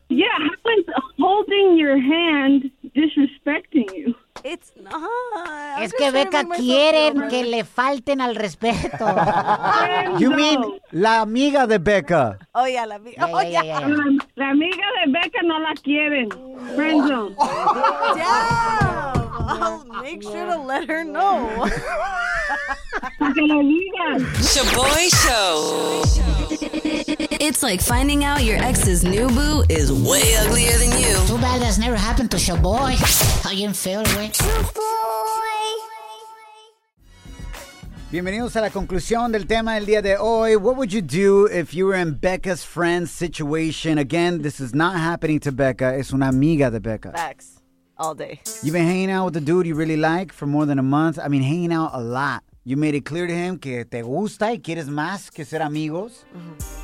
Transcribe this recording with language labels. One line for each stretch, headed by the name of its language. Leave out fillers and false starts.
English: Yeah, how is holding your hand disrespecting you? It's not.
Spanish: Es que Becca quieren que le falten al respeto.
English: You mean
Spanish: la amiga de Becca.
English: Oh, yeah,
Spanish: la amiga.
English: Yeah, oh, yeah.
Spanish: La amiga de Becca no la quieren. Friendzone.
English: Damn. I'll make sure to let her know. Shaboy Show. It's like finding out your ex's new boo is way uglier than you. Too bad that's never happened to Shaboy. How you feel, boy? Shaboy.
Spanish: Bienvenidos a la conclusión del tema del día de hoy.
English: What would you do if you were in Becca's friend situation? Again, this is not happening to Becca.
Spanish: Es una amiga de Becca.
English: Facts. All day. You've been hanging out with the dude you really like for more than a month. I mean, hanging out a lot. You made it clear to him
Spanish: que te gusta y quieres más que ser amigos. Mm-hmm.